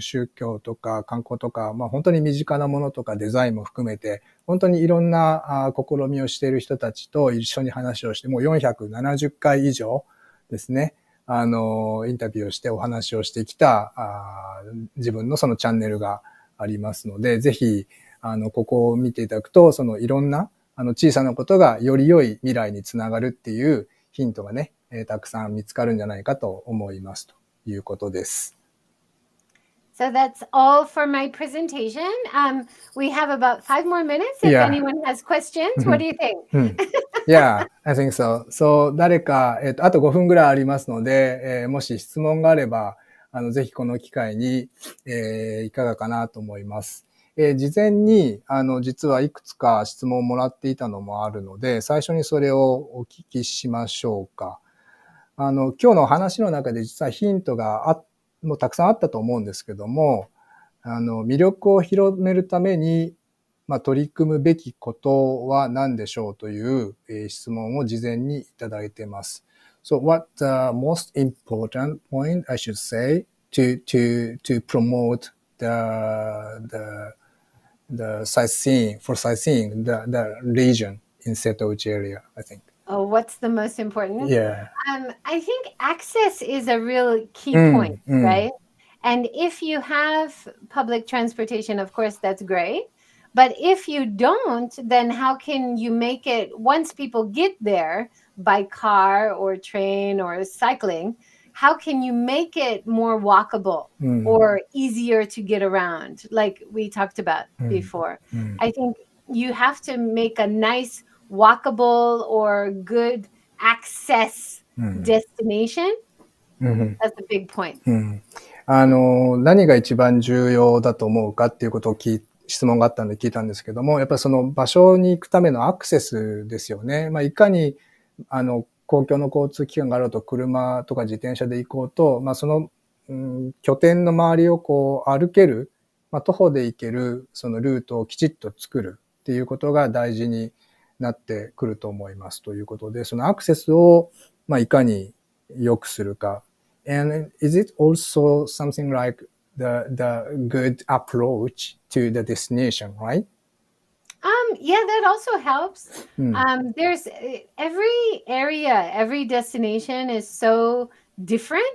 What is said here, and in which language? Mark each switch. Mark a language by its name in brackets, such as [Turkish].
[Japanese] 宗教とか観光とか、まあ本当に身近なものとかデザインも含めて本当にいろんな試みをしている人たちと一緒に話をして、もう470回以上ですね、インタビューをしてお話をしてきた自分のそのチャンネルがありますので、ぜひここを見ていただくと、そのいろんな小さなことがより良い未来につながるっていうヒントがね、たくさん見つかるんじゃないかと思いますということです。 [English] So that's all for my presentation. We have about 5 more minutes if anyone has questions. What do you think? Yeah, I think so. [Japanese] So 誰か、あと5分ぐらいありますので、もし質問があればぜひこの機会に、いかがかなと思います。事前に実はいくつか質問をもらっていたのもあるので、最初にそれをお聞きしましょうか。今日の話の中で実はヒントがもうたくさんあったと思うんですけども、魅力を広めるために、まあ、取り組むべきことは何でしょうという、質問を事前にいただいてます。 [English] So what the most important point I should say to promote the sightseeing for sightseeing the region in Seto Uchi area, I think. Oh, what's the most important? Yeah. I think access is a real key point, right? And if you have public transportation, of course, that's great. But if you don't, then how can you make it once people get there? By car or train or cycling, how can you make it more walkable or easier to get around, like we talked about before? I think you have to make a nice walkable or good access destination. That's a big point. [Japanese] 何が一番重要だと思うかっていうことを質問があったんで聞いたんですけども、やっぱりその場所に行くためのアクセスですよね。まあ、いかに公共の交通機関があろうと車とか自転車で行こうと、まあ、その、拠点の周りをこう歩ける、まあ、徒歩で行けるそのルートをきちっと作るっていうことが大事になってくると思いますということで、そのアクセスを、まあ、いかに良くするか。 [English] And is it also something like the good approach to the destination, right? Yeah, that also helps. There's every area, every destination is so different.